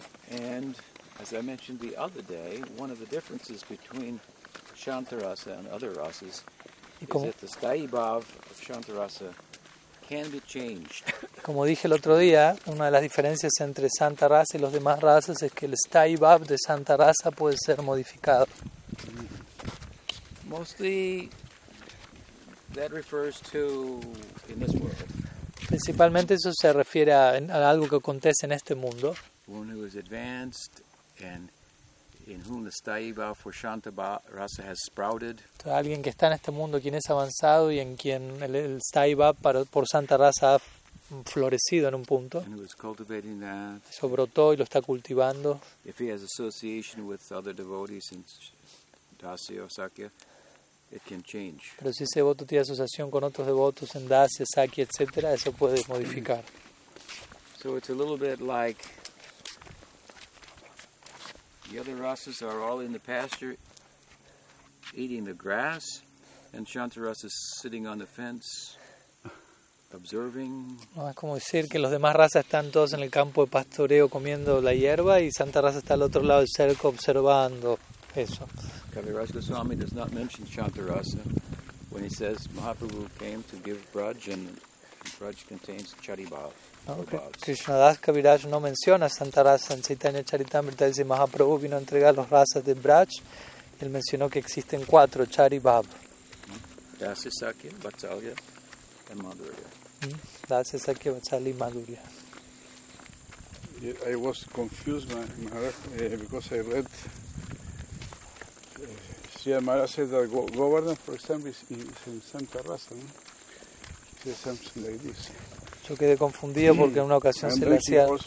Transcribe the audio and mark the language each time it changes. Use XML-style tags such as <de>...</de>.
<en>And as I mentioned the other day, one of the differences between Santa-rasa and other rasas is that the sthayi bhav of Santa-rasa can be changed.</en> <es>Como dije el otro día, una de las diferencias entre Santa-rasa y los demás razas es que el sthayi bhav de Santa-rasa puede ser modificado.</es> <en>Mostly that refers to in this world.</en> <es>Principalmente eso se refiere a algo que acontece en este mundo.</es> <en>One who is advanced and in whom the sthayi bhav for Santa-rasa has sprouted.</en> <es>Alguien que está en este mundo, quien es avanzado y en quien el sthayi bhav por Santa-rasa ha florecido en un punto.</es> <en>And who is cultivating that.</en> <es>Eso brotó y lo está cultivando.</es> <en>If he has association with other devotees in Dasya or Sakya, it can change.</en> <es>Pero si ese devoto tiene asociación con otros devotos en Dasya, Sakya, etc., eso puede modificar.</es> <en>So it's a little bit like the other rasas are all in the pasture eating the grass, and Santa-rasa is sitting on the fence observing.</en> <es>No, es como decir que los demás razas están todos en el campo de pastoreo comiendo la hierba y Santa-rasa está al otro lado del cerco observando eso.</es> <en>Kaviraj Goswami does not mention Santa-rasa when he says Mahaprabhu came to give braj and braj contains chari bhav.</en> <es>Okay. Krishnadas Kaviraj no menciona Santa Rasa en Chaitanya Charitamrita, dice Mahaprabhu vino a entregar los rasas de Braj. Él mencionó que existen cuatro, Chari Bhav. Dasya, Sakya, Vatsalya y Madhurya. Dasya, Sakya, Vatsalya y Madhurya.</es> <en>I was confused, Maharaj, because I read Sriya Maharaj said that governance, for example, is in Santa Rasa. No? He said something like this.</en> <es>Yo quedé confundido porque en una ocasión se le hacía...</es>